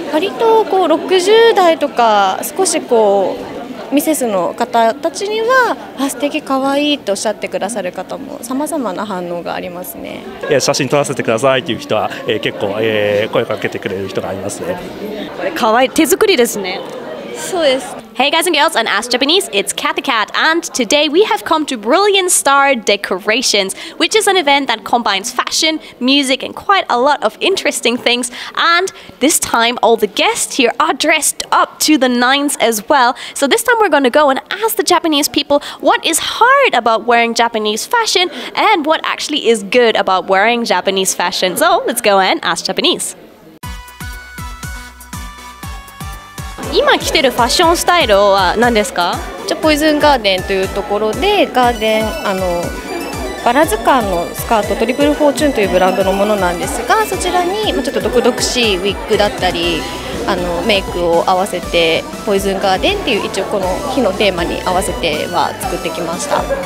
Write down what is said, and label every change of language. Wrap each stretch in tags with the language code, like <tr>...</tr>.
<ja>割とこう60代とか少しこうミセスの方たちには素敵かわいいとおっしゃってくださる方もさまざまな反応がありますね。いや写真撮らせてくださいという人は、結構、声かけてくれる人がいますね。かわいい手作りですね。そうです。</ja> <en>Hey guys and girls on Ask Japanese, it's Kathy Cat, and today we have come to Brilliant Star Decorations, which is an event that combines fashion, music and quite a lot of interesting things. And this time all the guests here are dressed up to the nines as well. So this time we're going to go and ask the Japanese people what is hard about wearing Japanese fashion and what actually is good about wearing Japanese fashion. So let's go and ask Japanese.</en> <ja>今着てるファッションスタイルは何ですか？じゃあポイズンガーデンというところでガーデンバラ図鑑のスカートトリプルフォーチューンというブランドのものなんですが、そちらにちょっと独特しいウィッグだったりメイクを合わせてポイズンガーデンっていう一応この日のテーマに合わせては作ってきました。</ja>